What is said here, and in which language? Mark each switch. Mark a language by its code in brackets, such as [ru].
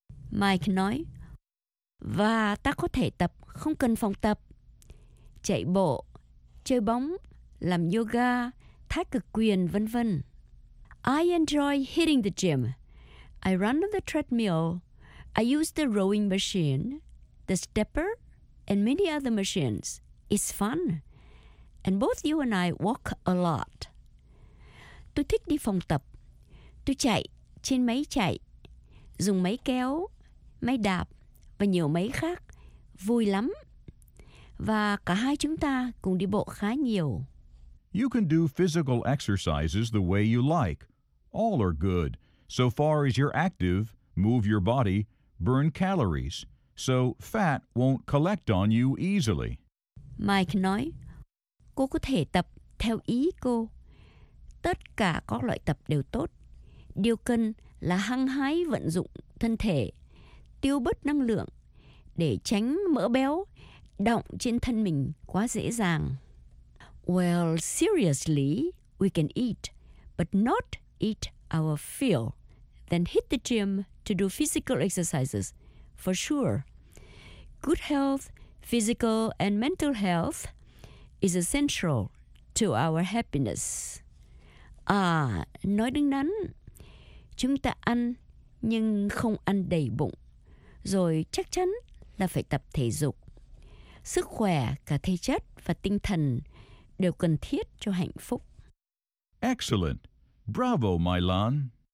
[vi] Mike nói, và ta có thể tập không cần phòng tập. Chạy bộ, chơi bóng, làm yoga, thái cực quyền, vân vân. [en] I enjoy hitting the gym. I run on the treadmill. I use the rowing machine, the stepper, and many other machines. It's fun. And both you and I walk a lot. [vi] Tôi thích đi phòng tập. Tôi chạy trên máy chạy, dùng máy kéo, máy đạp và nhiều máy khác. Vui lắm. Và cả hai chúng ta cùng đi bộ khá nhiều. [en] You can do physical exercises the way you like. All are good. So far as you're active, move your body, burn calories. So fat won't collect on you easily. [vi] Mike nói, cô có thể tập theo ý cô. Tất cả các loại tập đều tốt. Điều cần là hăng hái vận dụng thân thể, tiêu bớt năng lượng để tránh mỡ béo đọng trên thân mình quá dễ dàng. [en] Well, seriously, we can eat, but not eat our fill, then hit the gym to do physical exercises, for sure. Good health, physical and mental health is essential to our happiness. [vi] À, nói đứng đắn, chúng ta ăn nhưng không ăn đầy bụng, rồi chắc chắn là phải tập thể dục. Sức khỏe, cả thể chất và tinh thần đều cần thiết cho hạnh phúc. [en] Excellent. Bravo, Mylan.